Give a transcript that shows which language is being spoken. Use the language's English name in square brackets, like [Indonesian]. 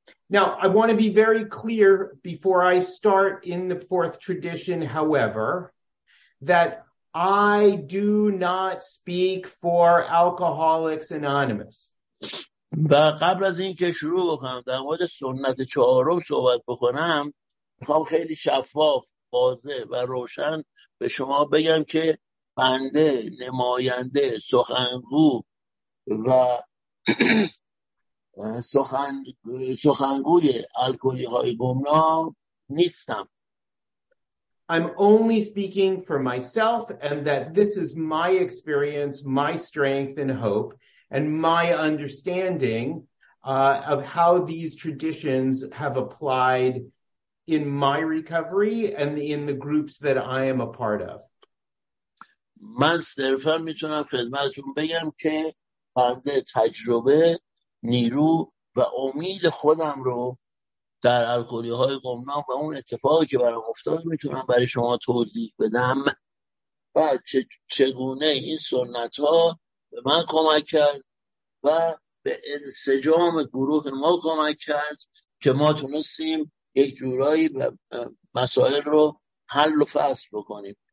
[English] Now, I want to be very clear before I start in the fourth tradition, however, that I do not speak for Alcoholics Anonymous. [Persian] و قبل از این که شروع بکنم در مورد سنت چهارم صحبت بکنم میخوام خیلی شفاف واضح و روشن به شما بگم که بنده نماینده سخنگو و سخنگوی الکلی های گمنام نیستم. [English] I'm only speaking for myself and that this is my experience, my strength and hope and my understanding of how these traditions have applied in my recovery and in the groups that I am a part of. [Persian] من صرفا میتونم خدمتتون بگم که بنده تجربه، نیرو و امید خودم رو در الکلی های گمنام و اون اتفاقی که برام افتاد میتونم برای شما توضیح بدم و چگونه این سنت ها به من کمک کرد و به انسجام گروه ما کمک کرد که ما تونستیم یک جورایی مسائل رو حل و فصل بکنیم.